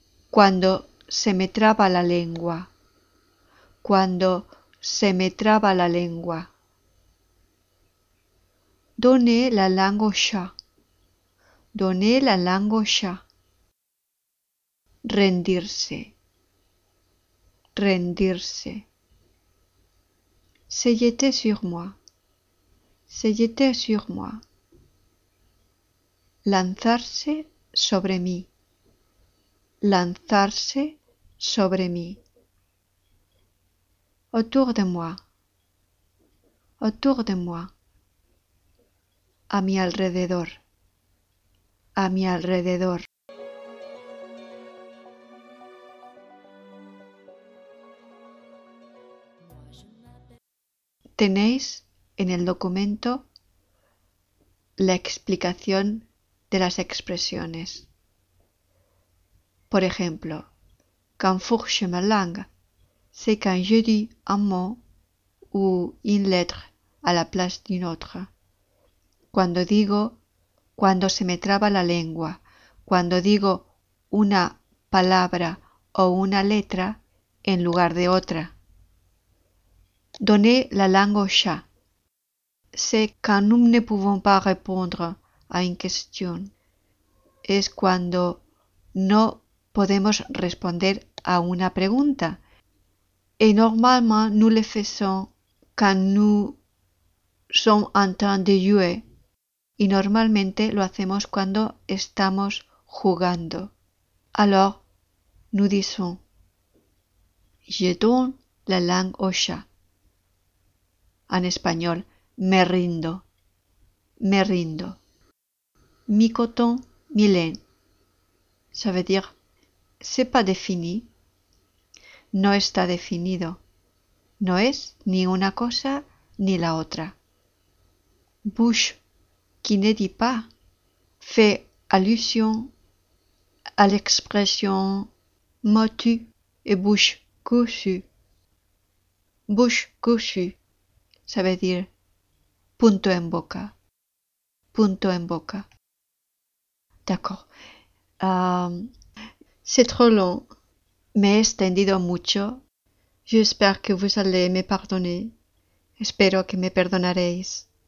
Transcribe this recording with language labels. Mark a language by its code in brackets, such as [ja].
[es] Cuando se me traba la lengua, cuando se me traba la lengua. [fr] Donner la langue au chat. Donner la langue au chat. [es] Rendirse. Rendirse. [fr] Se jeter sur moi. Se jeter sur moi. [es] Lanzarse sobre mí. Lanzarse sobre mí. [fr] Autour de moi. Autour de moi. [es] A mi alrededor, a mi alrededor. Tenéis en el documento la explicación de las expresiones. Por ejemplo, [fr] quand fourche ma langue, c'est quand je dis un mot ou une lettre à la place d'une autre. [es] Cuando digo, cuando se me traba la lengua, cuando digo una palabra o una letra en lugar de otra. [fr] Donner la langue au chat. C'est quand nous ne pouvons pas répondre à une question. [es] Es cuando no podemos responder a una pregunta. [fr] Et normalement, nous le faisons quand nous sommes en train de jouer. [es] Y normalmente lo hacemos cuando estamos jugando. [fr] Alors, nous disons, je donne la langue au chat. [es] En español, me rindo, me rindo. [fr] Mi coton, mi lin. Ça veut dire, c'est pas défini. [es] No está definido. No es ni una cosa ni la otra. [fr] Bouche. Qui ne dit pas, fait allusion à l'expression mot tu et bouche cousue. Bouche cousue, ça veut dire [es] punto en boca. Punto en boca. [fr] D'accord. C'est trop long, [es] me he extendido mucho. [fr] J'espère que vous allez me pardonner. [es] Espero que me perdonaréis.